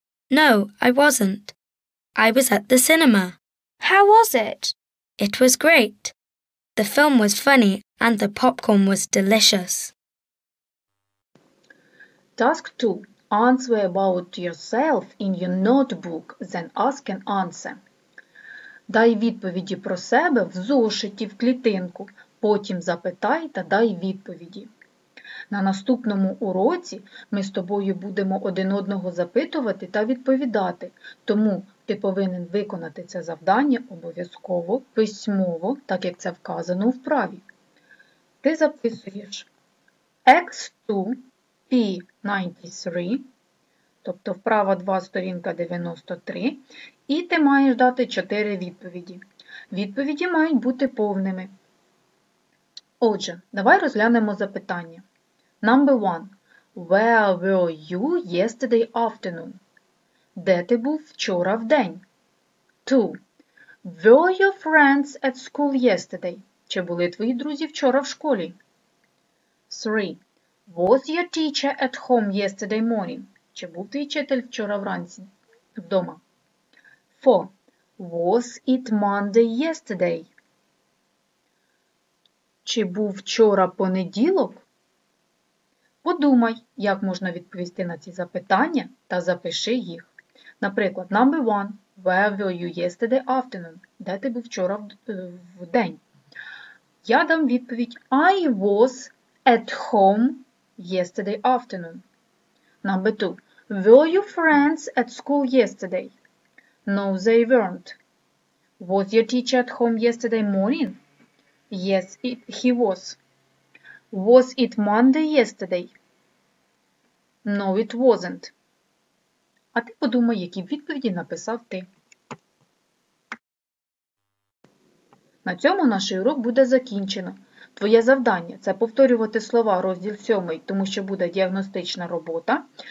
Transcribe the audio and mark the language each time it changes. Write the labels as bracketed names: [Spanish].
[English] No, I wasn't. I was at the cinema. How was it? It was great. The film was funny and the popcorn was delicious. Task 2. Answer about yourself in your notebook, then ask and answer. [Ukrainian] Дай відповіді про себе в зошиті в клітинку, потім запитай та дай відповіді. На наступному уроці ми з тобою будемо один одного запитувати та відповідати, тому ти повинен виконати це завдання обов'язково, письмово, так як це вказано у вправі. Ти записуєш X2P93, тобто вправа 2, сторінка 93, і ти маєш дати 4 відповіді. Відповіді мають бути повними. Отже, давай розглянемо запитання. [English] Number 1. Where were you yesterday afternoon? [Ukrainian] Де ти був вчора в день? 2. [English] Were your friends at school yesterday? [Ukrainian] Чи були твої друзі вчора в школі? [English] 3. Was your teacher at home yesterday morning? [Ukrainian] Чи був твій вчитель вчора вранці вдома? [English] 4. Was it Monday yesterday? [Ukrainian] Чи був вчора понеділок? Подумай, як можна відповісти на ці запитання та запиши їх. Наприклад, number 1. [English] Where were you yesterday afternoon? [Ukrainian] Де ти був вчора в день? Я дам відповідь. [English] I was at home yesterday afternoon. Number 2. Were your friends at school yesterday? No, they weren't. Was your teacher at home yesterday morning? Yes, he was. Was it Monday yesterday? No, it wasn't. [Ukrainian] А ти подумай, які відповіді написав ти. На цьому наш урок буде закінчено. Твоє завдання – це повторювати слова розділ 7, тому що буде діагностична робота.